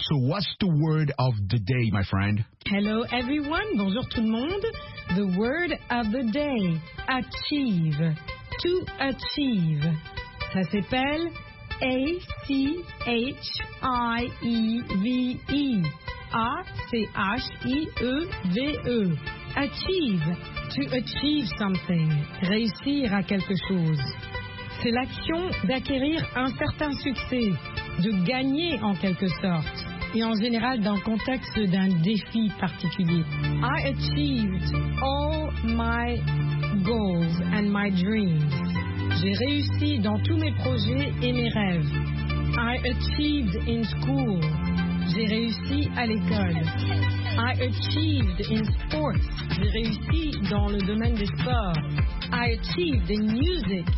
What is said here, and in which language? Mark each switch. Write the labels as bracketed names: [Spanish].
[English] So what's the word of the day, my friend? [French] Hello everyone, bonjour tout le monde. [English] The word of the day, achieve, to achieve. [French] Ça s'appelle A-C-H-I-E-V-E, A-C-H-I-E-V-E, achieve, to achieve something, réussir à quelque chose. C'est l'action d'acquérir un certain succès, de gagner en quelque sorte, et en général dans le contexte d'un défi particulier. [English] I achieved all my goals and my dreams. [French] J'ai réussi dans tous mes projets et mes rêves. [English] I achieved in school. J'ai réussi à l'école. [French] I achieved in sports. J'ai réussi dans le domaine des sports. [English] I achieved in music.